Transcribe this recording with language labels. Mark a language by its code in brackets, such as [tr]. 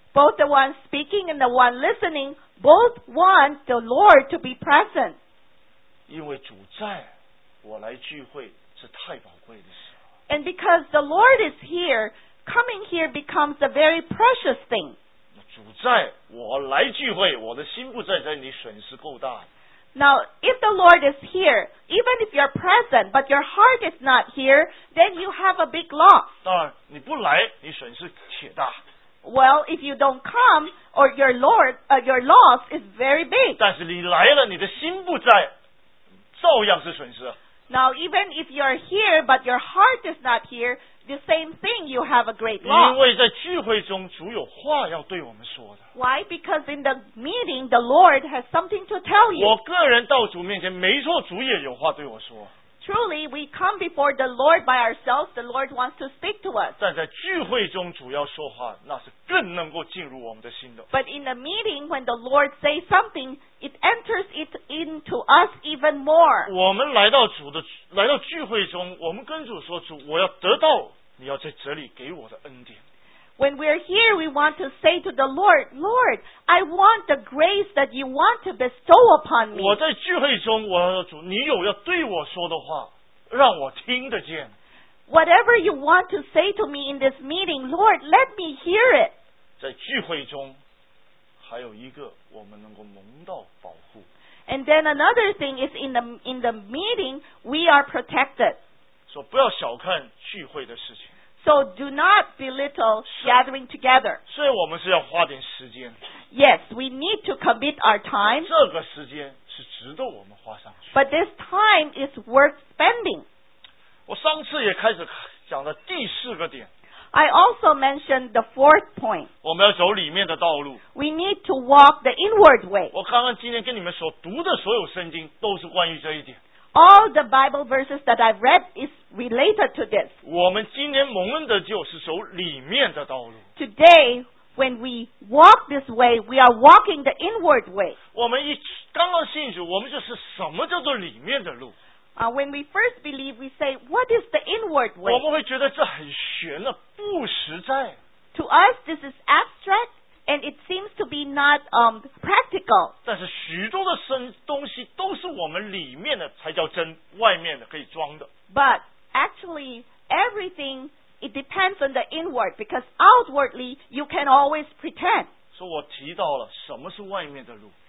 [en] Both the one speaking and the one listening, both want the Lord to be present. [zh] 因为主在，我来聚会是太宝贵的事。 [en] And because the Lord is here, coming here becomes a very precious thing. [zh] 主在，我来聚会，我的心不在，你损失够大。 [en] Now, if the Lord is here, even if you're present, but your heart is not here, then you have a big loss. [zh] 当然，你不来，你损失铁大。 [en] Well, if you don't come, or your loss is very big. [zh] 但是你来了，你的心不在，照样是损失。 [en] Now, even if you are here, but your heart is not here, the same thing, you have a great loss. [zh] 因为在聚会中，主有话要对我们说的。 [en] Why? Because in the meeting, the Lord has something to tell you. [zh] 我个人到主面前，没错，主也有话对我说。 [en] Truly, we come before the Lord by ourselves. The Lord wants to speak to us. [zh] 但在聚会中主要说话，那是更能够进入我们的心的。 [en] But in the meeting, when the Lord says something, it enters it into us even more. [zh] 我们来到主的，来到聚会中，我们跟主说，主，我要得到你要在这里给我的恩典。 [en] When we're here, we want to say to the Lord, Lord, I want the grace that you want to bestow upon me. [zh] 我在聚会中，我要主，你有要对我说的话，让我听得见。 [en] Whatever you want to say to me in this meeting, Lord, let me hear it. [zh] 在聚会中，还有一个我们能够蒙到保护。 [en] And then another thing is in the meeting, we are protected. [zh] 说不要小看聚会的事情。 [en] So do not belittle gathering together. [zh] 所以我们是要花点时间。 [en] Yes, we need to commit our time. [zh] 这个时间是值得我们花上去。 [en] But this time is worth spending. [zh] 我上次也开始讲的第四个点。 [en] I also mentioned the fourth point. [zh] 我们要走里面的道路。 [en] We need to walk the inward way. [zh] 我刚刚今天跟你们所读的所有圣经都是关于这一点。 [en] All the Bible verses that I've read is related to this. [zh] 我们今天蒙恩的就是走里面的道路。 [en] Today, when we walk this way, we are walking the inward way. [zh] 我们刚刚信主，我们就是什么叫做里面的路。 [en] When we first believe, we say, what is the inward way? [zh] 我们会觉得这很玄的，不实在。 [en] To us, this is abstract, and it seems to be not practical. [zh] 但是许多的东西都是我们里面的才叫真，外面的可以装的。 [en] But actually, everything, it depends on the inward, because outwardly, you can always pretend. [zh] 所以我提到了什么是外面的路。